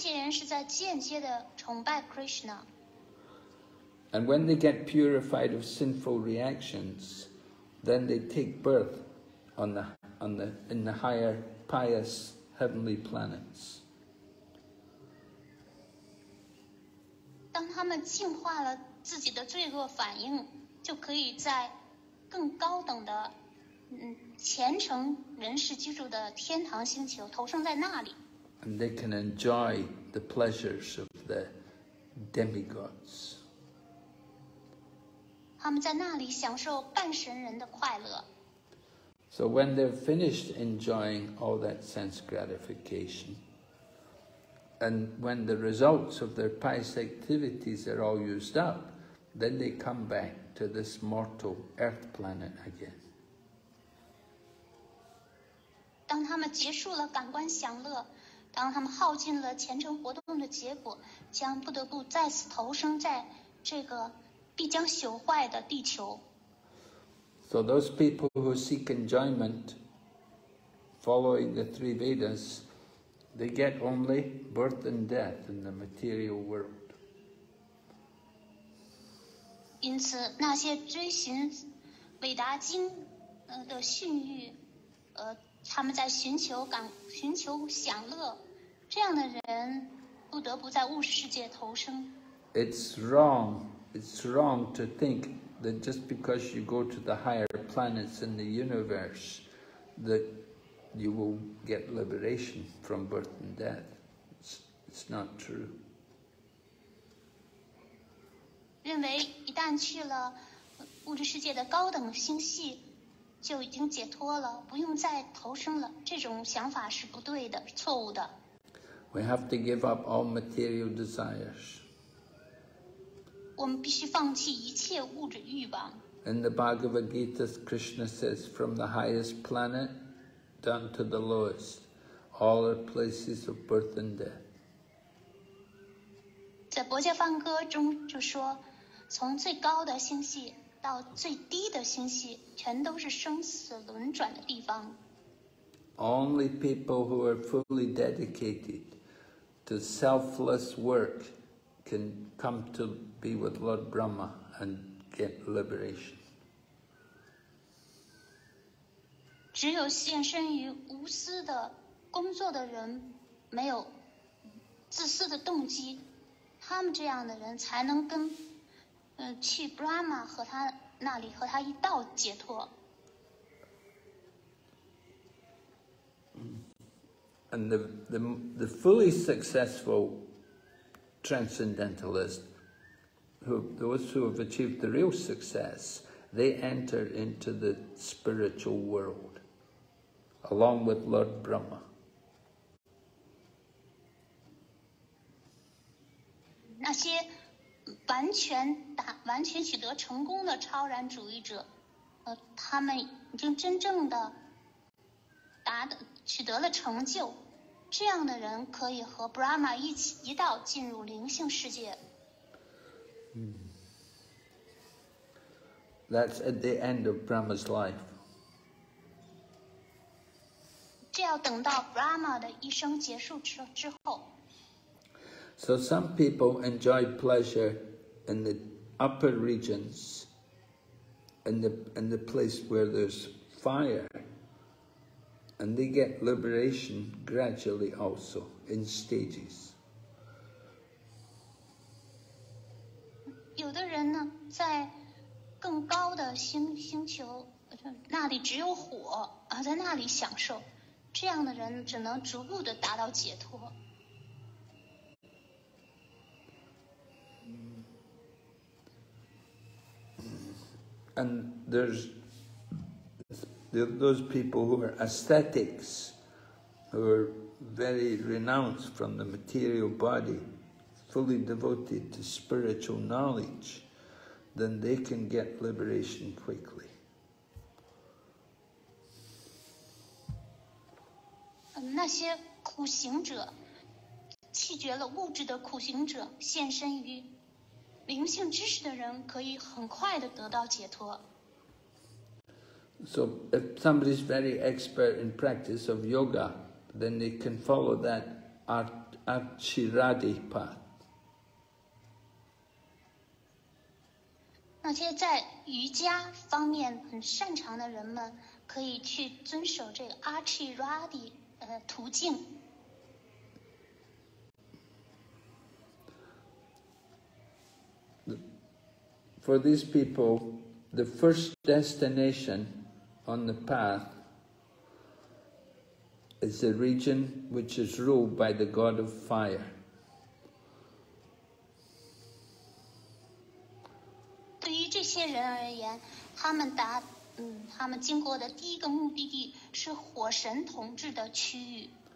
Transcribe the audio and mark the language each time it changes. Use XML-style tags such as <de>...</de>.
<zh>是在间接的崇拜 Krishna.</zh> <en>And when they get purified of sinful reactions, then they take birth in the higher pious heavenly planets.</en> <zh>当他们净化了自己的罪恶反应，就可以在更高等的虔诚人士居住的天堂星球投生在那里。</zh> <en>And they can enjoy the pleasures of the demigods.</en> <zh>他们在那里享受半神人的快乐。</zh> <en>So when they're finished enjoying all that sense gratification, and when the results of their pious activities are all used up, then they come back to this mortal earth planet again.</en> <zh>当他们结束了感官享乐，当他们耗尽了前程活动的结果，将不得不再次投生在这个必将朽坏的地球。</zh> <en>So those people who seek enjoyment following the three Vedas, they get only birth and death in the material world.</en> <zh>因此那些追寻韦达经的信誉他们在寻求享乐这样的人不得不在物质世界投生。</zh> <en>It's wrong to think that just because you go to the higher planets in the universe, that you will get liberation from birth and death. It's not true.</en> <zh>认为一旦去了物质世界的高等星系，就已经解脱了，不用再投生了。这种想法是不对的，错误的。</zh> <en>We have to give up all material desires.</en> <zh>我们必须放弃一切物质欲望。</zh> <en>In the Bhagavad Gita, Krishna says, from the highest planet down to the lowest, all are places of birth and death.</en> <zh>在《薄伽梵歌》中就说，从最高的星系到最低的星系，全都是生死轮转的地方。</zh> <en>Only people who are fully dedicated to selfless work can come to be with Lord Brahma and get liberation.</en> <zh>只有献身于无私的工作的人，没有自私的动机，他们这样的人才能跟去 Brahma 和他那里和他一道解脱。</zh> <en>And the fully successful transcendentalist, those who have achieved the real success, they enter into the spiritual world along with Lord Brahma.</en> <zh>那些完全取得成功的超然主义者，他们已经真正的取得了成就。这样的人可以和 Brahma 一道进入灵性世界。</zh> <en>That's at the end of Brahma's life.</en> <zh>这要等到 Brahma 的一生结束之后。</zh> <en>So some people enjoy pleasure in the upper regions, in the place where there's fire. And they get liberation gradually also, in stages.</en> <zh>有的人呢，在更高的星球，那里只有火，而在那里享受，这样的人只能逐步的达到解脱。</zh> <en>And those people who are ascetics, who are very renounced from the material body, fully devoted to spiritual knowledge, then they can get liberation quickly.</en> <zh>那些苦行者，弃绝了物质的苦行者，献身于灵性知识的人，可以很快地得到解脱。</zh> <en>So if somebody is very expert in practice of yoga, then they can follow that Archiradi path.</en> <zh>那些在瑜伽方面很擅长的人们可以去遵守这个 Archiradi 途径。</zh> <en>For these people, the first destination on the path is a region which is ruled by the god of fire.</en> <zh>对于这些人而言，他们经过的第一个目的地是火神统治的区域。</zh>